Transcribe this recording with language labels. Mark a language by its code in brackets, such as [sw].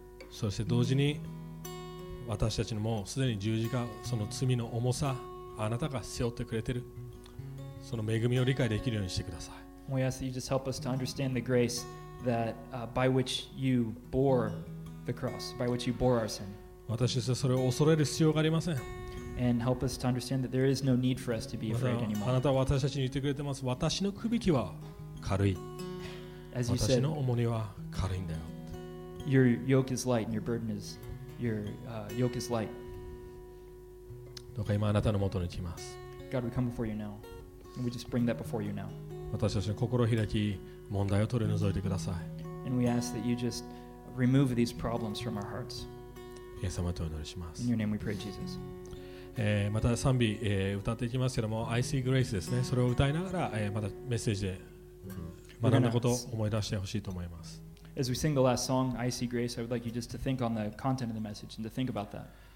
[ja] そして同時に私たちのもうすでに十字架、その罪の重さ、あなたが背負ってくれている、その恵みを理解できるようにしてください。 [en] We ask that you just help us to understand the grace that, by which you bore the cross, by which you bore our sin. [ja] 私たちはそれを恐れる必要がありません。 [en] And help us to understand that there is no need for us to be afraid anymore. [ja] あなたは私たちに言ってくれてます。私の首輝は軽い。 [en] As you said, [ja] 私の重荷は軽いんだよ。 [en] Your yoke is light and your burden is. Yoke is light. [ja] どうか今あなたの元に来ます。 [en] God, we come before you now. And we just bring that before you now. [ja] 私たちの心を開き、問題を取り除いてください。 [en] And we ask that you just remove these problems from our hearts. [ja] イエス様とお祈りします。 [en] In your name we pray, Jesus. [ja] また賛美、歌っていきますけども、I see grace ですね。それを歌いながら、またメッセージで学んだことを思い出してほしいと思います。 [en] As we sing the last song, I See Grace, I would like you just to think on the content of the message and to think about that.